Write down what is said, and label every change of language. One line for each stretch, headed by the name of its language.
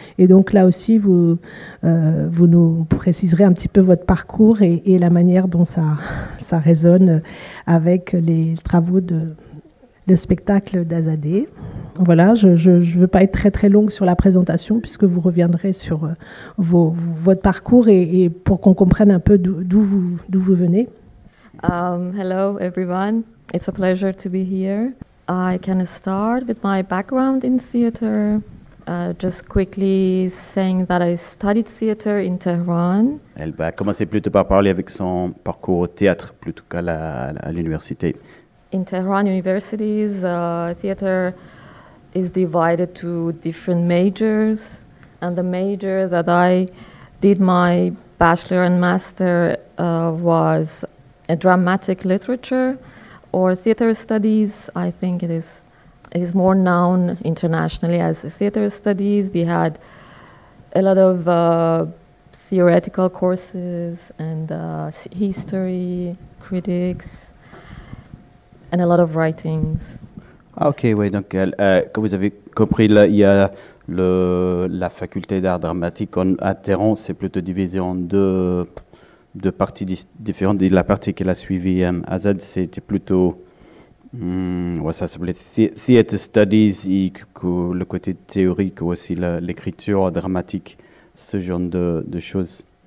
French: Et donc là aussi, vous nous préciserez un petit peu votre parcours et la manière dont ça résonne avec les travaux de le spectacle d'Azadeh. Voilà, je ne veux pas être très très longue sur la présentation, puisque vous reviendrez sur votre parcours et pour qu'on comprenne un peu d'où vous venez.
English: Hello everyone, it's a pleasure to be here. I can start with my background in theater, just quickly saying that I studied theater in Tehran.
French: Elle va commencer plutôt par parler avec son parcours au théâtre plutôt qu'à à l'université.
English: In Tehran universities, theater is divided to different majors, and the major that I did my bachelor and master was a dramatic literature. Or theater studies, I think it is more known internationally as theater studies. We had a lot of theoretical courses and history, critics, and a lot of writings.
French: Okay, oui, donc comme vous avez compris, là, il y a la faculté d'art dramatique à Téhéran, c'est plutôt divisé en deux parties différentes. La partie qu'elle a suivie, Azad, c'était plutôt ouais, ça s'appelait Theater Studies, le côté théorique, aussi l'écriture dramatique, ce genre de choses.